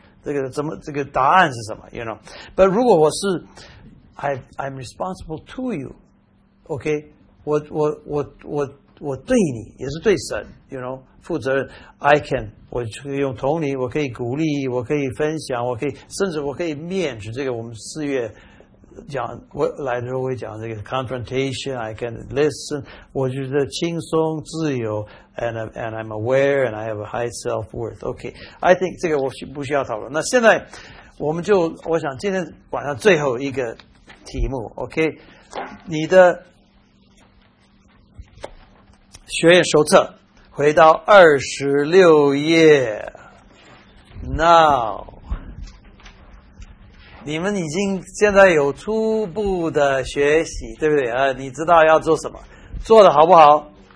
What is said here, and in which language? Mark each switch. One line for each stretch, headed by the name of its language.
Chinese: 这个怎么这个答案是什么 ？
English: You know， but
Chinese: 如果我是
English: I'm responsible to you，OK，、okay?
Chinese: 我对你也是对神 ，
English: you know，
Chinese: 负责任。
English: I can，
Chinese: 我可以用同理，我可以鼓励，我可以分享，我可以甚至我可以面对这个。我们四月讲，我来的时候会讲这个 confrontation。
English: I can listen，
Chinese: 我觉得轻松自由
English: ，and I'm aware and I have a high self worth。 Okay， I think
Chinese: 这个我不需要讨论。那现在我们就我想今天晚上最后一个题目 ，Okay， 你的。学院手册回到26页 Now 你们已经现在有初步的学习对不对、啊、你知道要做什么做的好不好